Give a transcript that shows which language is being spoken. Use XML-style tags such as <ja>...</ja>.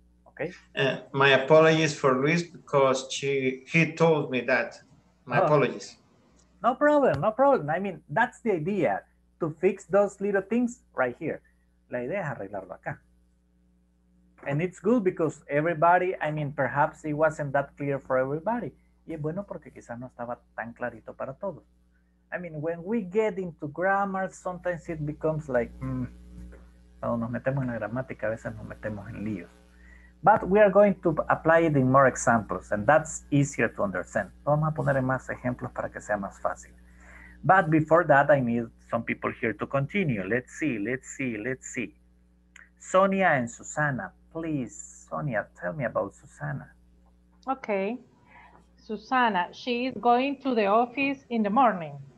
<en>Okay? My apologies for Luis because he told me that. My apologies. No problem, no problem. I mean, that's the idea, to fix those little things right here. La idea es arreglarlo acá. And it's good because everybody, I mean, perhaps it wasn't that clear for everybody.</en> <es>Y es bueno porque quizás no estaba tan clarito para todos.</es> <en>I mean, when we get into grammar, sometimes it becomes like, cuando nos metemos en la gramática, a veces nos metemos en líos. But we are going to apply it in more examples, and that's easier to understand.</en> <es>Vamos a poner en más ejemplos para que sea más fácil.</es> <en>But before that, I need some people here to continue. Let's see. Sonia and Susana, please. Sonia, tell me about Susana. Okay. Susana, she is going to the office in the morning.</en>